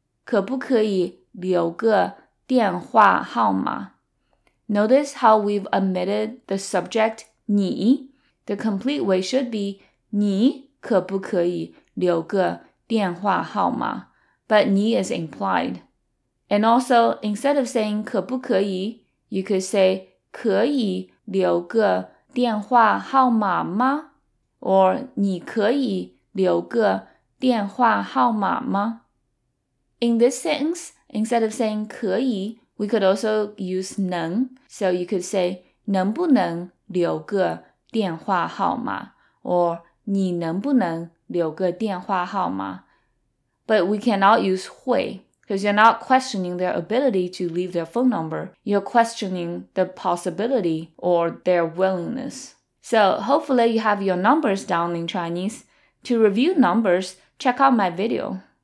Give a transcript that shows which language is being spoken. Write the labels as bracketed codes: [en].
[zh] 可不可以留个电话号码? [en] Notice how we've omitted the subject 你. The complete way should be, [zh] 你可不可以留个电话号码? [en] But 你 is implied. And also, instead of saying [zh] 可不可以, [en] you could say, [zh] 可以留个电话号码吗? Or, 你可以留个电话号码吗? [en] In this sentence, instead of saying 可以, we could also use 能. So you could say, [zh] 能不能留个电话号码? Or, 你能不能留个电话号码? [en] But we cannot use 会, because you're not questioning their ability to leave their phone number. You're questioning the possibility or their willingness. So hopefully you have your numbers down in Chinese. To review numbers, check out my video.